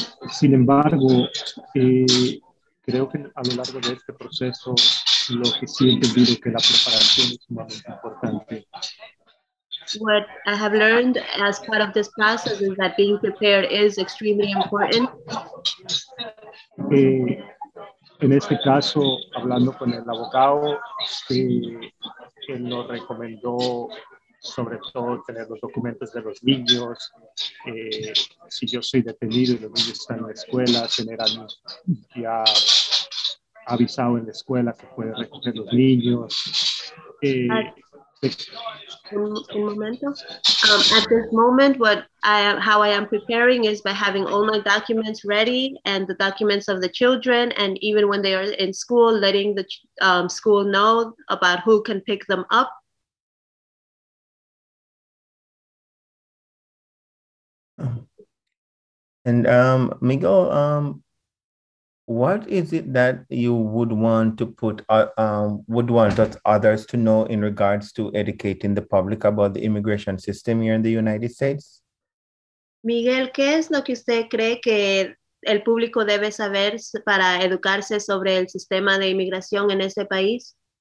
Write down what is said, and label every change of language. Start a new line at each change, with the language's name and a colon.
Spanish: Sin embargo, creo que a lo largo de este proceso, lo que sí he entendido es que la preparación es sumamente importante.
English: What I have learned as part of this process is that being prepared is extremely important.
Spanish: En este caso, hablando con el abogado, él nos recomendó sobre todo tener los documentos de los niños. Si yo soy detenido y los niños están en la escuela, tener ya avisado en la escuela que puede recoger los niños. Un momento.
English: At this moment, how I am preparing is by having all my documents ready and the documents of the children, and even when they are in school, letting the school know about who can pick them up. And Miguel, what is it that you would want to put, would want others to know in regards to educating the public about the immigration system here in the United States?
Spanish: Miguel, ¿qué es lo que usted cree que el público debe saber para educarse sobre el sistema de inmigración en este país?